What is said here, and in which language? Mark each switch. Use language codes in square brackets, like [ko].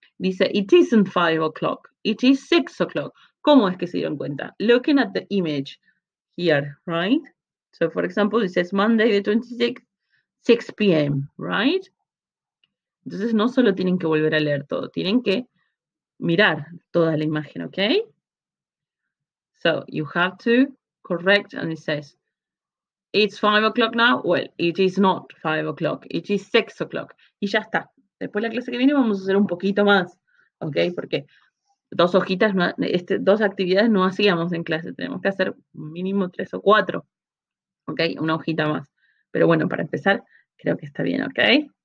[en] Dice, it isn't 5 o'clock. It is 6 o'clock. [es] ¿Cómo es que se dieron cuenta? [en] Looking at the image here, right? So, for example, it says Monday the 26th, 6 p.m., right? [es] Entonces, no solo tienen que volver a leer todo, tienen que mirar toda la imagen, okay? [en] So you have to correct, and it says it's 5 o'clock now. Well, it is not 5 o'clock. It is 6 o'clock. [es] Y ya está. Después la clase que viene vamos a hacer un poquito más, okay? Porque dos hojitas, dos actividades no hacíamos en clase. Tenemos que hacer mínimo 3 o 4, okay? Una hojita más. Pero bueno, para empezar creo que está bien, okay?